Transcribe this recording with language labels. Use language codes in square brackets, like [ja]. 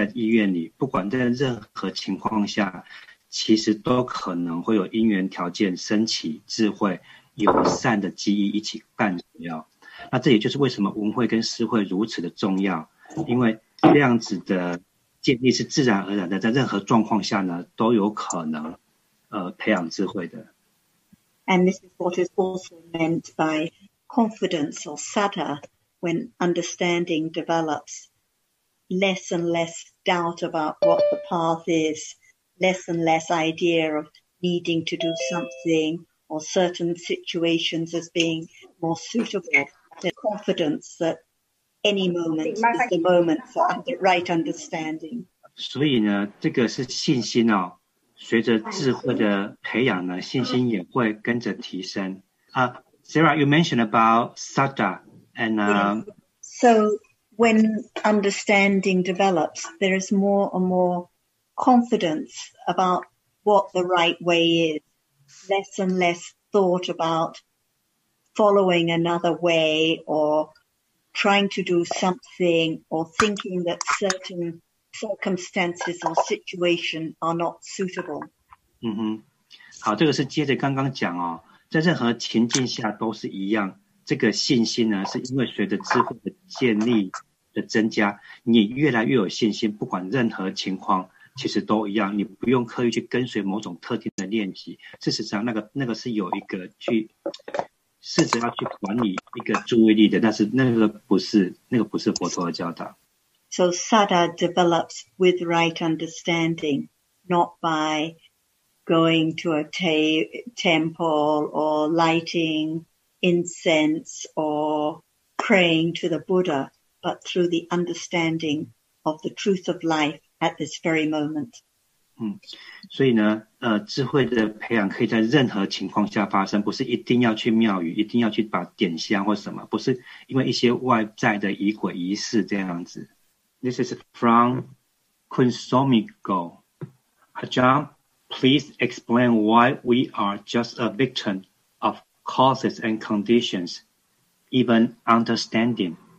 [zh] 所以呢，随着智慧的建立呢，会越来越清楚。不管在什么情况下，你很忙，或者是甚至你生病了，在医院里，不管在任何情况下。其实都可能会有因缘条件升起智慧，友善的记忆一起伴随哦。那这也就是为什么文慧跟思慧如此的重要，因为这样子的建立是自然而然的，在任何状况下呢都有可能培养智慧的。 [en] And this is what is also meant by confidence or sata. When understanding develops, less and less doubt about what the path is, less and less idea of needing to do something or certain situations as being more suitable. The confidence that any moment is the moment for right understanding. [zh] 所以呢，这个是信心哦。随着智慧的培养呢，信心也会跟着提升。 [en] Sarah, you mentioned about sutta and So when understanding develops, there is more and more confidence about what the right way is. Less and less thought about following another way or trying to do something or thinking that certain circumstances or situation are not suitable. [zh] 嗯哼，好，这个是接着刚刚讲哦，在任何情境下都是一样。这个信心呢，是因为随着智慧的建立的增加，你越来越有信心，不管任何情况其实都一样，你不用刻意去跟随某种特定的练习。事实上那个是有一个去试着要去管理一个注意力的，但是那个不是佛陀的教导。 [en] So sada develops with right understanding, not by going to a temple or lighting incense or praying to the Buddha, but through the understanding of the truth of life at this very moment. [zh] 所以呢智慧的培养可以在任何情况下发生，不是一定要去庙宇，一定要去把点香或什么，不是因为一些外在的仪轨仪式这样子。 [en] This is from Kunsomigo. Ajahn, please explain why we are just a victim of causes and conditions, even understanding.